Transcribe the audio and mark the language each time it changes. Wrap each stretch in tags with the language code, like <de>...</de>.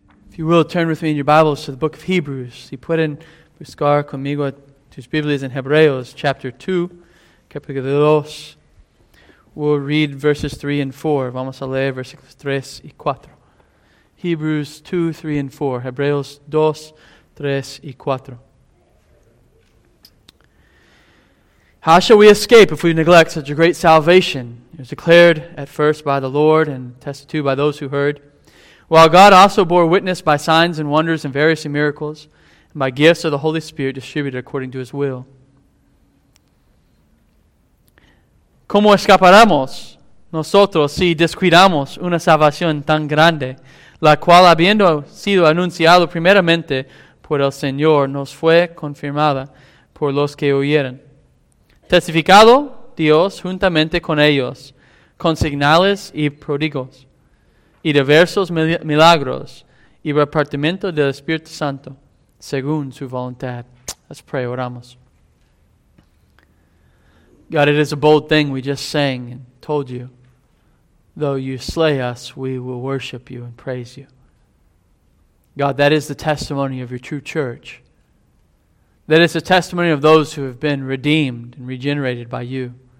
<en>If you will, turn with me in your Bibles to the book of Hebrews.</en> <es>Si pueden buscar conmigo tus Biblias en Hebreos,</es> <en>chapter 2,</en> <es>capítulo 2.</es> <en>We'll read verses 3 and 4.</en> <es>Vamos a leer versículos 3 y 4.</es> <en>Hebrews 2, 3 and 4. Hebreos 2, 3 y 4. How shall we escape if we neglect such a great salvation? It was declared at first by the Lord and attested to by those who heard. While God also bore witness by signs and wonders and various miracles, and by gifts of the Holy Spirit distributed according to His will.</en> <es>¿Cómo escaparemos nosotros si descuidamos una salvación tan grande, la cual habiendo sido anunciado primeramente por el Señor, nos fue confirmada por los que oyeron? Testificado Dios juntamente con ellos, con señales y prodigios, y diversos milagros, y repartimiento del Espíritu Santo, según su voluntad.</es> <en>Let's pray, oramos. God, it is a bold thing we just sang and told you. Though you slay us, we will worship you and praise you. God, that is the testimony of your true church. That is the testimony of those who have been redeemed and regenerated by you.</en>